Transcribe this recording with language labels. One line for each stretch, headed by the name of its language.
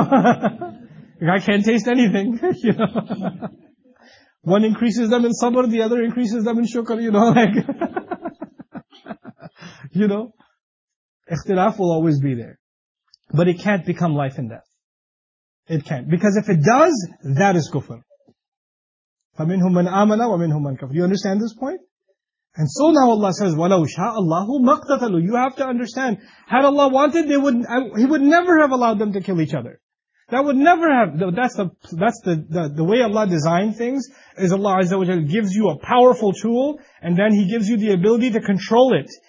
English: I can't taste anything. You know? One increases them in sabr, the other increases them in shukr. You know, like... You know? Ikhtilaf will always be there. But it can't become life and death. It can't. Because if it does, that is kufr.
Arabic: فَمِنْهُمْ مَنْ آمَنَا وَمِنْهُمْ مَنْ كَفْرٌ.
English: Do you understand this point? And so now Allah says,
Arabic: وَلَوْ شَاءَ اللَّهُ مَقْتَتَلُوا.
English: You have to understand, had Allah wanted, He would never have allowed them to kill each other. That would never have, that's the way Allah designed things, is Allah Azza wa Jalla gives you a powerful tool, and then He gives you the ability to control it.